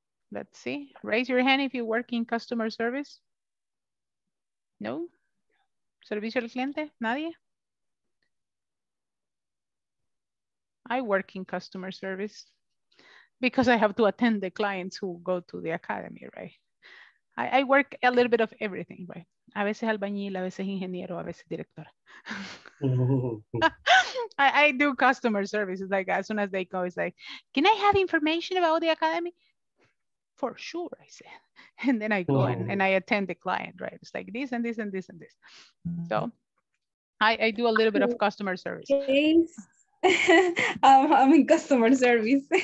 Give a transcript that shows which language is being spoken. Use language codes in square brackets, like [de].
[en] Let's see, raise your hand if you work in customer service. No? [es] Servicio al cliente, nadie? [en] I work in customer service because I have to attend the clients who go to the academy, right? I work a little bit of everything, right? [es] A veces albañil, a veces ingeniero, a veces directora. [en] I do customer service. It's like, as soon as they go, it's like, can I have information about the academy? For sure, I said. And then I go and I attend the client, right? It's like this and this and this and this. Mm-hmm. So I do a little bit of customer service. Okay. I'm in customer service.